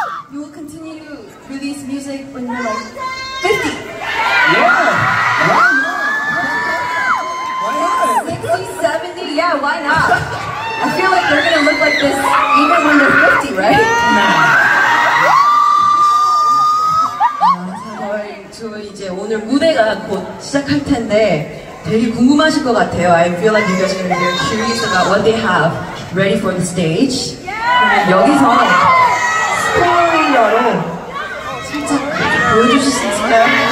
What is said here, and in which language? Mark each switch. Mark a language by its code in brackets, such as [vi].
[en] You will continue to release music when you're like 50. Yeah. Why not? 60, 70, yeah, why not? I feel like they're gonna look like this even when they're 50, right? Yeah. [ko] 아, 저 이제 오늘 무대가 곧 시작할 텐데 되게 궁금하실 것 같아요. [en] I feel like you guys are gonna be curious about what they have ready for the stage. Yeah. [ko] 여기서 스포일러로 살짝 보여주실 수 있을까요?